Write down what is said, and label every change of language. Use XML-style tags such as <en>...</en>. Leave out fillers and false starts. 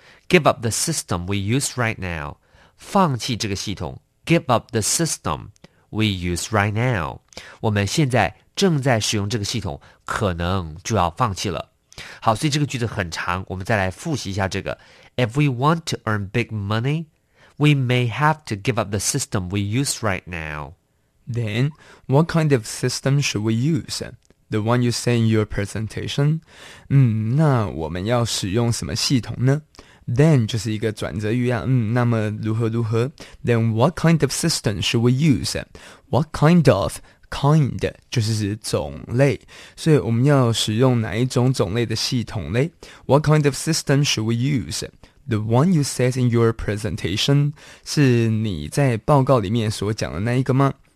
<en>give up the system we use right now</en> <zh>放弃这个系统</zh> <en>give up the system we use right now</en> <zh>我们现在正在使用这个系统可能就要放弃了好所以这个句子很长我们再来复习一下这个</zh> <en>if we want to earn big money we may have to give up the system we use right now Then, what kind of system should we use? The one you say in your presentation?</en> <zh>嗯，那我们要使用什么系统呢？ Then 就是一个转折语啊，嗯，那么如何如何？</zh> <en>Then what kind of system should we use? What kind of</en> <zh>kind 就是指种类，所以我们要使用哪一种种类的系统呢？</zh> <en>What kind of system should we use? The one you said in your presentation</en> <zh>是你在报告里面所讲的那一个吗？</zh>